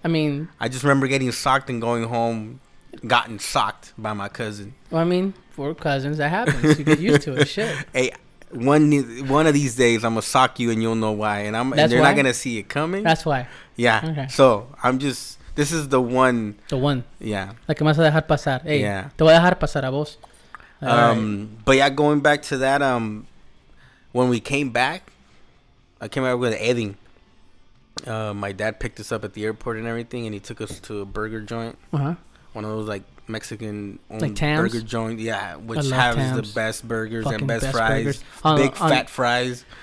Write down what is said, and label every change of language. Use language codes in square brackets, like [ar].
[en] I mean, I just remember getting socked and going home, gotten socked by my cousin. Well, I mean, for cousins, that happens. You get used to it, shit. Hey, One of these days, I'm going to sock you and you'll know why. And they're not going to see it coming. That's why. Yeah. Okay. So, I'm just... This is the one. The one. Yeah. [es] La que me vas a dejar pasar. Hey, yeah. Te voy a dejar pasar a vos. [en] But yeah, going back to that, when we came back, I came back with Edding. My dad picked us up at the airport and everything, and he took us to a burger joint. Uh-huh. One of those, like... Mexican like burger joint, yeah, which has Tams. The best burgers fucking and best fries, big on, fat fries.